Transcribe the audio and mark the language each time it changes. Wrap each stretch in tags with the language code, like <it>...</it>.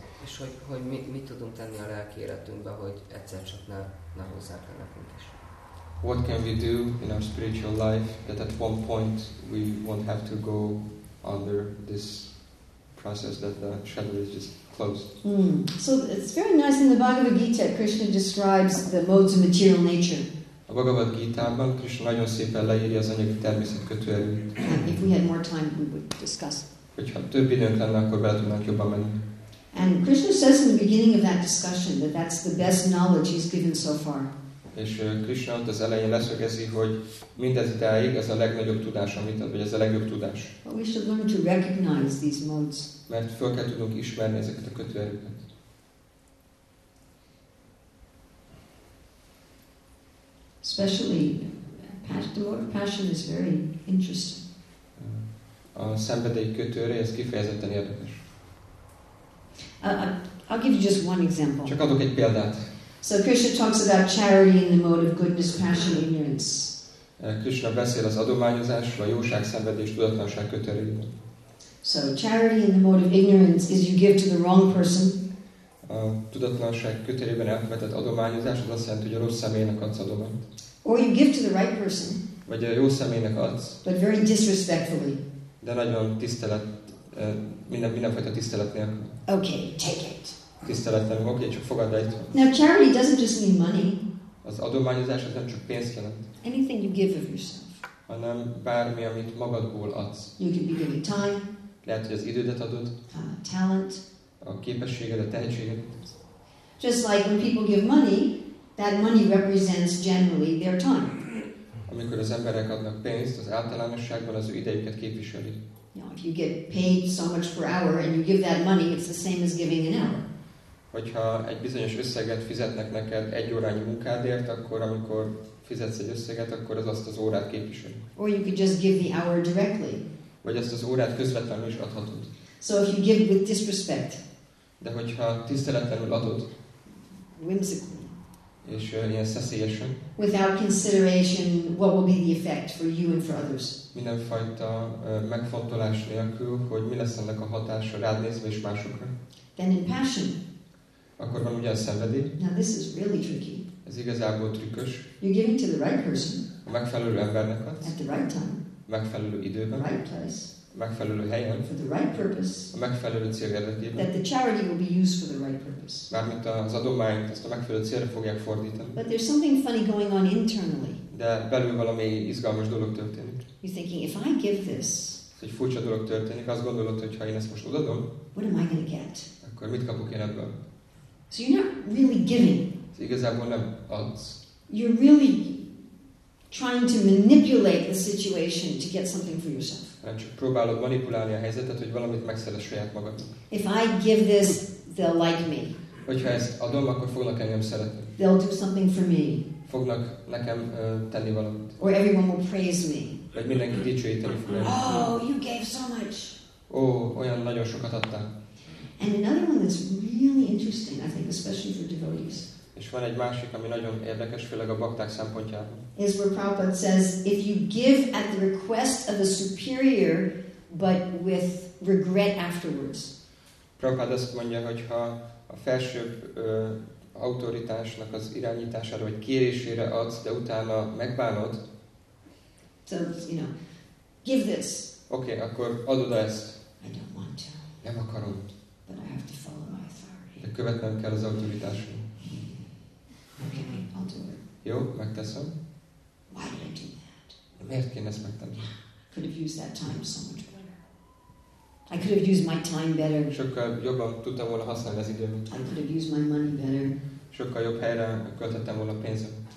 <hu>És hogy mit tudunk tenni a lelki életünkbe, hogy egyszer csak ne hozzák el nekünk is.</hu> <en>What can we do in our spiritual life that at one point we won't have to go under this process that the shutter is just closed? Mm. So it's very nice in the Bhagavad Gita, Krishna describes the modes of material nature.</en> <hu>A Bhagavad Gita-ban Krishna nagyon szépen leírja az anyagi természet kötőerőit.</hu> <en>If we had more time, we would discuss.</en> <hu>Hogyha több időnk lenne, akkor bele tudnánk jobban menni.</hu> <en>And Krishna says in the beginning of that discussion that that's the best knowledge he's given so far.</en> <hu>És Krishna ott az elején leszögezi, hogy mindez ideig ez a legnagyobb tudás, amit ad, vagy ez a legjobb tudás.</hu> <en>But we should learn to recognize these modes.</en> <hu>Mert föl kell tudnunk ismerni ezeket a kötőerőket.</hu> <en>Especially the mode of passion is very interesting.</en> <hu>A szenvedély kötőre, ez kifejezetten érdekes.</hu> <en>I'll give you just one example.</en> <hu>Csak adok egy példát.</hu> <en>So Krishna talks about charity in the mode of goodness, passion, ignorance.</en> <hu>Krishna beszél az adományozásról, a jóság, szenvedés, tudatlanság kötőjében.</hu> <en>So charity in the mode of ignorance is you give to the wrong person.</en> <hu>A tudatlanság kötőjében elkövetett adományozás az azt jelenti, hogy a rossz személynek adsz adományt.</hu> <en>Or you give to the right person.</en> <hu>Vagy a jó személynek adsz.</hu> <en>But very disrespectfully.</en> <hu>De nagyon tisztelet, mindenfajta tisztelet nélkül.</hu> <en>Okay, take it.</en> <hu>Tiszteletlenül, oké, csak fogadd el.</hu> <en>Now charity doesn't just mean money.</en> <hu>Az adományozás az nem csak pénzt jelent.</hu> <en>Anything you give of yourself.</en> <hu>Hanem bármi, amit magadból adsz.</hu> <en>You can be giving time.</en> <hu>Lehet, hogy az idődet adod.</hu> <en>Talent.</en> <hu>A képességed, a tehetséged.</hu> <en>Just like when people give money, that money represents generally their time.</en> <hu>Amikor az emberek adnak pénzt, az általánosságban az ő idejüket képviseli.</hu> <en>You know, if you get paid so much per hour and you give that money, it's the same as giving an hour.</en> <hu>Hogyha egy bizonyos összeget fizetnek neked egy órányi munkádért, akkor amikor fizetsz egy összeget, akkor az azt az órát képviseli.</hu> <en>Or you could just give the hour directly.</en> <hu>Vagy azt az órát közvetlenül is adhatod.</hu> <en>So if you give with disrespect.</en> <hu>De hogyha tiszteletlenül adod.</hu> <en>Whimsically.</en> <hu>És ilyen szeszélyesen.</hu> <en>Without consideration what will be the effect for you and for others.</en> <hu>Mindenfajta megfontolás nélkül, hogy mi lesz ennek a hatása rád nézve és másokra.</hu> <en>Then in passion.</en> <hu>Akkor van ugye a szenvedély.</hu> <en>Now this is really tricky.</en> <hu>Ez igazából trükkös.</hu> <en>You're giving to the right person.</en> <hu>A megfelelő embernek adsz.</hu> <en>At the right time.</en> <hu>Megfelelő időben.</hu> <en>Right place.</en> <hu>Megfelelő helyen.</hu> <en>For the right purpose.</en> <hu>A megfelelő cél érdekében.</hu> <en>That the charity will be used for the right purpose.</en> <hu>Mármint az adományt, ezt a megfelelő célra fogják fordítani.</hu> <en>But there's something funny going on internally.</en> <hu>De belül valami izgalmas dolog történik.</hu> <en>You're thinking, if I give this.</en> <hu>Ez egy furcsa dolog történik. Azt gondolod, hogy ha én ezt most odaadom.</hu> <en>What am I going to get?</en> <hu>Akkor mit kapok én ebből?</hu> <en>So you're not really giving.</en> <hu>Ez igazából nem adsz.</hu> <en>You're really trying to manipulate the situation to get something for yourself.</en> <hu>Hát csak próbálod manipulálni a helyzetet, hogy valamit megszeresd saját magadnak.</hu> <en>If I give this, they'll like me.</en> <hu>Hogyha ezt adom, akkor fognak engem szeretni.</hu> <en>They'll do something for me.</en> <hu>Fognak nekem tenni valamit.</hu> <en>Or everyone will praise me.</en> <hu>Vagy mindenki dicsőíteni fog.</hu> <en>Oh, you gave so much.</en> <hu>Ó, olyan nagyon sokat adtál.</hu> <en>And another one that's really interesting, I think, especially for devotees.</en> <hu>És van egy másik, ami nagyon érdekes, főleg a bhakták szempontjából.</hu> <en>Is where Prabhupada says, if you give at the request of a superior, but with regret afterwards.</en> <hu>Prabhupada azt mondja, hogyha a felsőbb autoritásnak az irányítására, vagy kérésére adsz, de utána megbánod,</hu> <en>So, you know, give this.</en> <hu>Okay, akkor adod ezt.</hu> <en>I don't want to.</en> <hu>Nem akarom.</hu> <en>But I have to follow my authority.</en> <hu>De követnem kell az autoritásom.</hu> <en>Okay, I'll do it.</en> <hu>Jó, megteszem.</hu> <en>Why did I do that?</en> <hu>Miért kéne ezt megtenni?</hu> <en>Could have used that time so much better. I could have used my time better.</en> <hu>Sokkal jobban tudtam volna használni az időmet.</hu> <en>I could have used my money better.</en> <hu>Sokkal jobb helyre költhettem volna a pénzem.</hu>